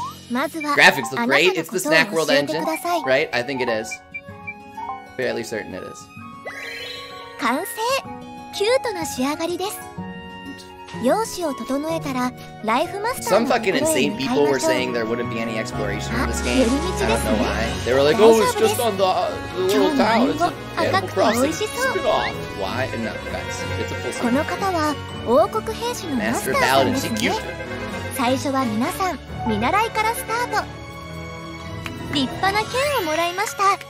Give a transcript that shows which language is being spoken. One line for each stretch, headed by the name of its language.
Japanese: まずは
English: Graphics look great. It's the Snack World engine, right? I think it is. Fairly certain it is.
Japanese: 完成。キュートな仕上がりです。容姿を整えたらライフマスターの。
English: Some fucking insane people were saying there wouldn't be any exploration in this game. I don't know why. They were like, oh, it's just on the little town. It's an animal crossing. Spin-off. Why? No, guys, it's a full song.
Japanese: この方は王国兵士のマスターさんですね。最初は皆さん見習いからスタート。立派な剣をもらいました。